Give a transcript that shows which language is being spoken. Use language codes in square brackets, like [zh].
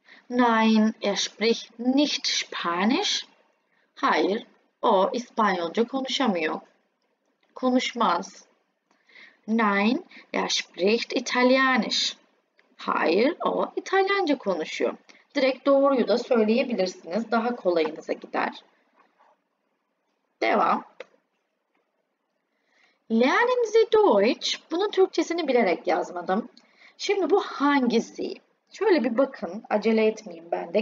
[de] Nein, er spricht nicht Spanisch. [tr] Hayır, o İspanyolca konuşamıyor. Konuşmaz. [de] Nein, er spricht Italienisch. [tr] Hayır, o İtalyanca konuşuyor. Direkt doğruyu da söyleyebilirsiniz. Daha kolayınıza gider. Devam. [de] Lernen Sie Deutsch. [tr] Bunun Türkçesini bilerek yazmadım. Şimdi bu hangisi? Şöyle bir bakın. Acele etmeyeyim ben de.